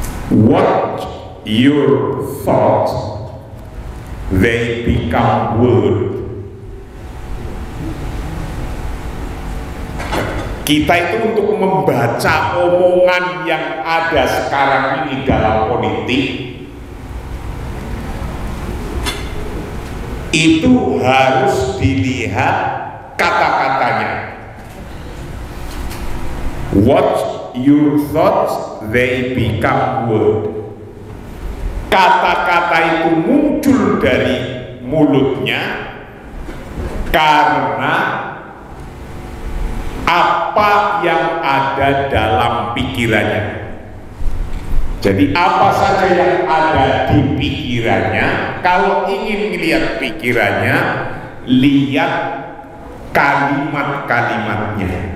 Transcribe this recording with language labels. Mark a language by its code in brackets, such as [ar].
[en] What your thoughts, they become word. [id] Kita itu untuk membaca omongan yang ada sekarang ini dalam politik, itu harus dilihat kata-katanya. [en] What your thoughts, they become word. [id] Kata-kata itu muncul dari mulutnya karena apa yang ada dalam pikirannya. Jadi apa saja yang ada di pikirannya, kalau ingin melihat pikirannya, lihat kalimat-kalimatnya.